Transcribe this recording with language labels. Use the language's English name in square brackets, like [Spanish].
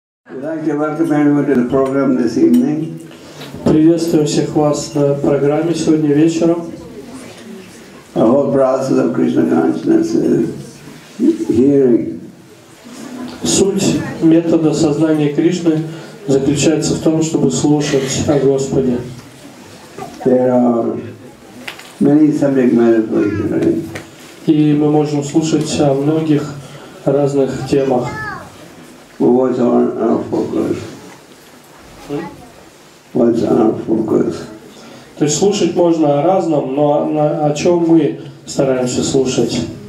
[English] We'd like to welcome everyone to the program this evening. [Russian] Приветствуем всех вас на программе сегодня вечером. [English] The whole process of Krishna consciousness is hearing. [Russian] Суть метода сознания Кришны заключается в том, чтобы слушать о Господе. [English] There are many subject matters we can hear. [Russian] И мы можем слушать о многих разных темах. [English] What's our focus? [Russian] То есть слушать можно о разном, но о чем мы стараемся слушать?